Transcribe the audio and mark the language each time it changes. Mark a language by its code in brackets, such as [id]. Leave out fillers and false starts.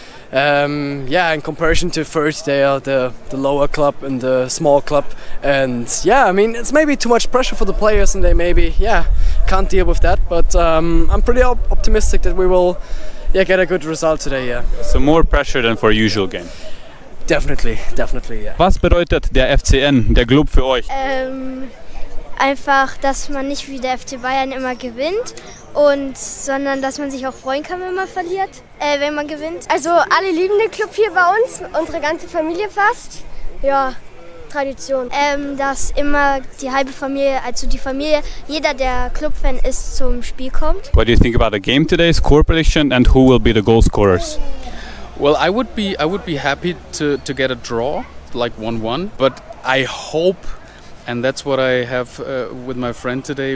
[en] Yeah, in comparison to Fürth, they are the lower club and the small club. And yeah, I mean, it's maybe too much pressure for the players, and they maybe, yeah, can't deal with that. But I'm pretty optimistic that we will, yeah, get a good result today, yeah. So more pressure than for a usual game? Definitely, yeah. [de] Was bedeutet der FCN, der Club für euch? Einfach, dass man nicht wie der FC Bayern immer gewinnt, und sondern dass man sich auch freuen kann, wenn man verliert, wenn man gewinnt. Also alle lieben den Club hier bei uns, unsere ganze Familie fast. Ja, Tradition. Dass immer die halbe Familie, also die Familie, jeder der Clubfan ist, zum Spiel kommt. [en] What do you think about the game today? Score prediction and who will be the goal scorers? Well, I would be happy to get a draw, like 1-1. But I hope. And that's what I have with my friend today.